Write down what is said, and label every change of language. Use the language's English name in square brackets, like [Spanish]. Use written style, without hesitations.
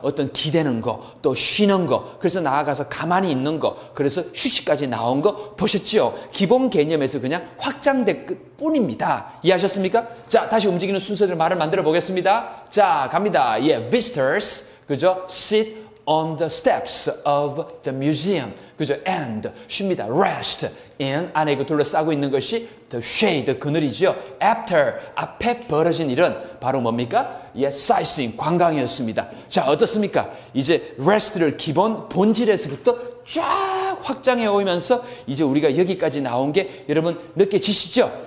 [Korean] 어떤 기대는 거, 또 쉬는 거, 그래서 나아가서 가만히 있는 거, 그래서 휴식까지 나온 거 보셨죠? 기본 개념에서 그냥 확장될 뿐입니다. 이해하셨습니까? 자, 다시 움직이는 순서대로 말을 만들어 보겠습니다. 자, 갑니다. 예, yeah, visitors, 그죠? [English] Sit on the steps of the museum. [Korean] 그죠? And, 쉽니다. Rest in, 안에 이거 둘러싸고 있는 것이 the shade, 그늘이죠. After, 앞에 벌어진 일은 바로 뭡니까? 예, sightseeing, 관광이었습니다. 자, 어떻습니까? 이제 rest를 기본 본질에서부터 쫙 확장해 오면서 이제 우리가 여기까지 나온 게 여러분 느껴지시죠?